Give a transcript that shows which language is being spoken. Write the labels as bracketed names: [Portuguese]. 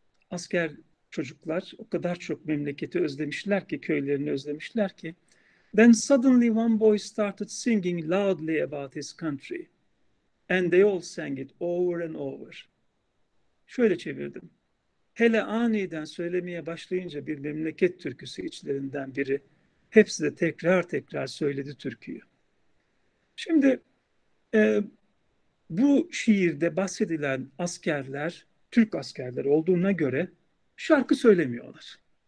[Turkish] Asker çocuklar o kadar çok memleketi özlemişler ki, köylerini özlemişler ki. [English] Then suddenly one boy started singing loudly about his country. And they all sang it over and over. [Turkish] Şöyle çevirdim. Hele aniden söylemeye başlayınca bir memleket türküsü içlerinden biri. Hepsi de tekrar tekrar söyledi türküyü. Şimdi bu şiirde bahsedilen askerler Türk askerler olduğuna göre şarkı söylemiyorlar.